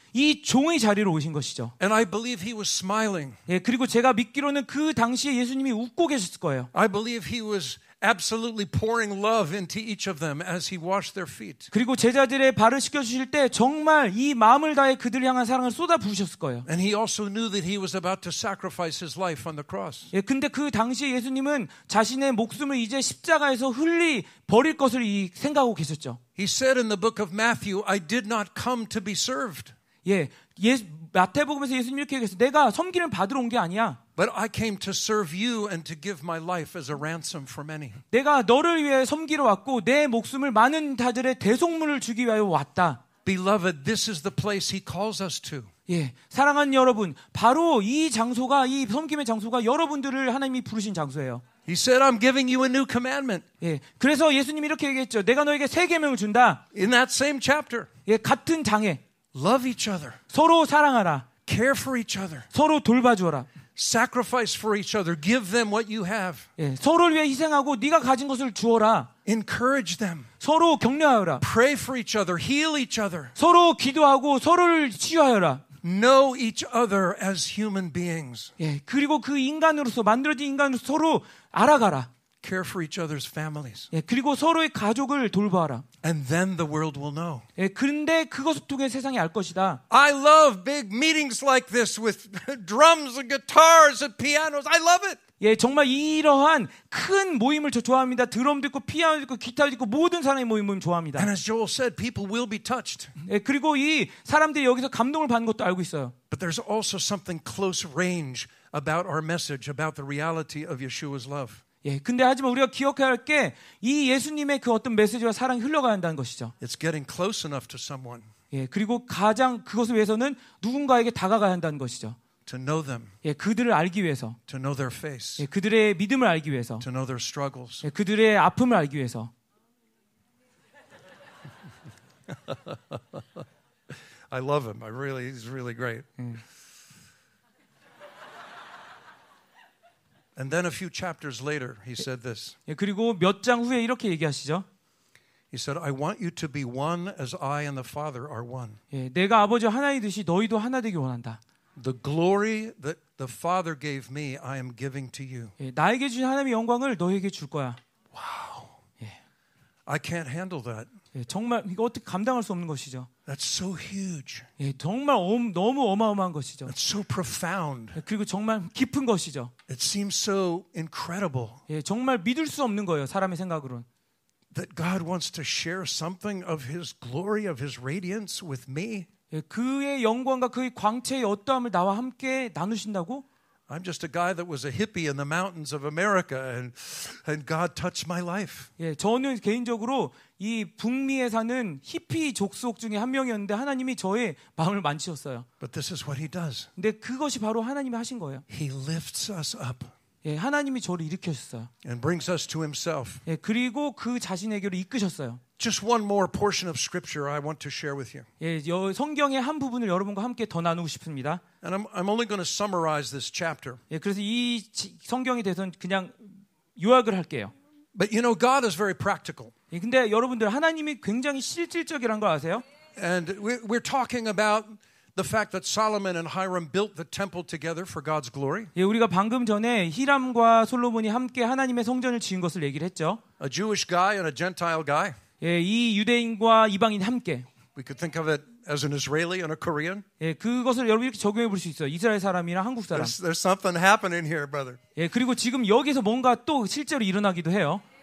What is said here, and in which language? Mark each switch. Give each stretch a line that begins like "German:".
Korean: 이 종의 자리로 오신 것이죠.
English: And I believe he was smiling.
Korean: 예, 그리고 제가 믿기로는 그 당시에 예수님이 웃고 계셨을 거예요.
English: I believe he was absolutely pouring love into each of them as he washed their feet.
Korean: 그리고 제자들의 발을 씻겨 주실 때 정말 이 마음을 다해 그들 향한 사랑을 쏟아 부으셨을 거예요.
English: And he also knew that he was about to sacrifice his life on the cross.
Korean: 예, 근데 그 당시에 예수님은 자신의 목숨을 이제 십자가에서 흘리 버릴 것을 이 생각하고 계셨죠.
English: He said in the book of Matthew, I did not come to be served.
Korean: 예, 마태복음에서 예수님 이렇게 얘기했어요. 내가 섬기는 받으러 온 게 아니야.
English: But I came to serve you and to give my life as a ransom for many.
Korean: 내가 너를 위해 섬기러 왔고 내 목숨을 많은 자들의 대속물을 주기 위하여 왔다.
English: Beloved, this is the place he calls us to.
Korean: 예, 사랑하는 여러분, 바로 이 장소가 이 섬김의 장소가 여러분들을 하나님이 부르신 장소예요.
English: He said, "I'm giving you a new commandment."
Korean: 예, 그래서 예수님 이렇게 얘기했죠. 내가 너에게 새 계명을 준다.
English: In that same chapter.
Korean: 예, 같은 장에.
English: Love each other.
Korean: 서로 사랑하라.
English: Care for each other.
Korean: 서로 돌봐주어라.
English: Sacrifice for each other. Give them what you have.
Korean: 예, 서로를 위해 희생하고 네가 가진 것을 주어라.
English: Encourage them.
Korean: 서로 격려하여라.
English: Pray for each other. Heal each other.
Korean: 서로 기도하고 서로를 치유하여라.
English: Know each other as human beings.
Korean: 예, 그리고 그 인간으로서 만들어진 인간으로 서로 알아가라.
English: Care for each other's families.
Korean: 예, 그리고 서로의 가족을 돌봐라.
English: And then the world will know.
Korean: 예, 근데 그것을 통해 세상이 알 것이다.
English: I love big meetings like this with drums and guitars and pianos. I love it.
Korean: 예, 정말 이러한 큰 모임을 저 좋아합니다. 드럼도 있고 피아노도 있고 기타도 있고 모든 사람의 모임을 좋아합니다.
English: And as Joel said, people will be touched.
Korean: 예, 그리고 이 사람들이 여기서 감동을 받는 것도 알고 있어요.
English: But there's also something close range about our message about the reality of Yeshua's love.
Korean: 예, 근데 하지만 우리가 기억해야 할 게 이 예수님의 그 어떤 메시지와 사랑이 흘러가야 한다는 것이죠.
English: It's getting close enough to someone.
Korean: 예, 그리고 가장 그것을 위해서는 누군가에게 다가가야 한다는 것이죠.
English: To know them.
Korean: 예, 그들을 알기 위해서.
English: To know their face.
Korean: 예, 그들의 믿음을 알기 위해서.
English: To know their struggles.
Korean: 예, 그들의 아픔을 알기 위해서.
English: I love him. I really, he's really great.
Korean: 예.
English: And then a few chapters later, he said this.
Korean: 예, 그리고 몇 장 후에 이렇게 얘기하시죠.
English: He said, "I want you to be one as I and the Father are one."
Korean: 예, 내가 아버지 하나이듯이 너희도 하나 되기 원한다.
English: The glory that the Father gave me, I am giving to you.
Korean: 예, 나에게 주신 하나님의 영광을 너에게 줄 거야.
English: Wow.
Korean: 예.
English: I can't handle that.
Korean: 예, 정말 이거 어떻게 감당할 수 없는 것이죠.
English: That's so huge.
Korean: 예, 정말 너무 어마어마한 것이죠.
English: It's so profound.
Korean: 예, 그리고 정말 깊은 것이죠.
English: It seems so incredible.
Korean: 예, 정말 믿을 수 없는 거예요, 사람의 생각으로는.
English: That God wants to share something of His glory, of His radiance with me.
Korean: 예, 그의 영광과 그의 광채의 어떠함을 나와 함께 나누신다고?
English: I'm just a guy that was a hippie in the mountains of America, and God touched my life.
Korean: 예, 저는 개인적으로 이 북미에 사는 히피 족속 중에 한 명이었는데 하나님이 저의 마음을 만지셨어요.
English: But this is what He does.
Korean: 근데 그것이 바로 하나님이 하신 거예요.
English: He lifts us up.
Korean: 예, 하나님이 저를 일으켰어요.
English: And brings us to Himself.
Korean: 예, 그리고 그 자신에게로 이끄셨어요.
English: Just one more portion of Scripture I want to share with you.
Korean: 예, 성경의 한 부분을 여러분과 함께 더 나누고 싶습니다.
English: And I'm only going to summarize this chapter.
Korean: 예, 그래서 이 성경에 대해서는 그냥 요약을 할게요.
English: But you know, God is very practical.
Korean: 예, 근데 여러분들 하나님이 굉장히 실질적이란 걸 아세요?
English: And we're talking about the fact that Solomon and Hiram built the temple together for God's glory.
Korean: 예, 우리가 방금 전에 히람과 솔로몬이 함께 하나님의 성전을 지은 것을 얘기를 했죠.
English: A Jewish guy and a Gentile guy.
Korean: 예, 이 유대인과 이방인 함께.
English: We could think of it as an Israeli and a Korean.
Korean: 예, 그것을 여러분 이렇게 적용해 볼 수 있어요. 이스라엘 사람이나 한국 사람.
English: There's something happening here, brother.
Korean: 예, 그리고 지금 여기서 뭔가 또 실제로 일어나기도 해요.